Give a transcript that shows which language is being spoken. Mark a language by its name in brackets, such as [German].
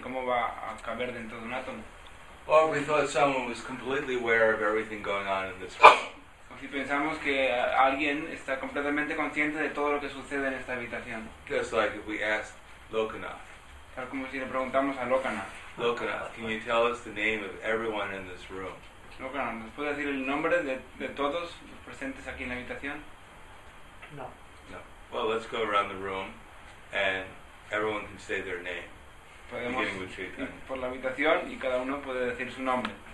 [Spanish] ¿Cómo va a caber dentro de un átomo? [English] Or we thought someone was completely aware of everything going on in this room. [Spanish] O si pensamos que alguien está completamente consciente de todo lo que sucede en esta habitación. [English] Just like if we asked Lokanath. [Spanish] Tal como si le preguntamos a Lokanath. [English] Lokanath, can you tell us the name of everyone in this room? [Spanish] Lokanath, ¿nos puede decir el nombre de todos los presentes aquí en la habitación? [English] No. [Spanish] No. [English] Well, let's go around the room and everyone can say their name. [Spanish] Podemos ir por la habitación y cada uno puede decir su nombre.